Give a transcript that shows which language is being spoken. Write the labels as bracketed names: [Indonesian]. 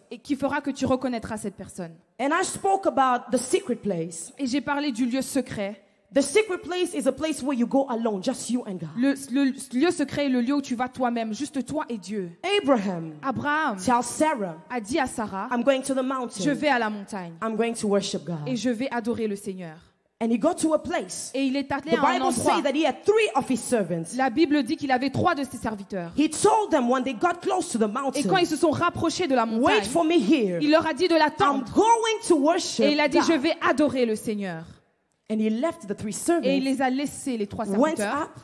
[French] et qui fera que tu reconnaîtras cette personne. [English] And I spoke about the secret place, [French] et j'ai parlé du lieu secret. [English] The secret place is a place where you go alone, just you and God. [French] Le lieu secret est le lieu où tu vas toi-même, juste toi et Dieu. [English] Abraham tells Sarah, [French] a dit à Sarah, [English] I'm going to the mountain. [French] Je vais à la montagne. [English] I'm going to worship God. [French] Et je vais adorer le Seigneur. [English] And he got to a place. [French] Et il est allé à un endroit. [English] says that he had three of his servants. [French] La Bible dit qu'il avait trois de ses serviteurs. [English] He told them when they got close to the mountain. [French] Et quand ils se sont rapprochés de la montagne. [English] Wait for me here. [French] Il leur a dit de l'attendre. [English] I'm going to worship. [French] Et il a dit [English] God. [French] Je vais adorer le Seigneur. [English] And he left the three servants. [French] Et il les a laissés les trois serviteurs.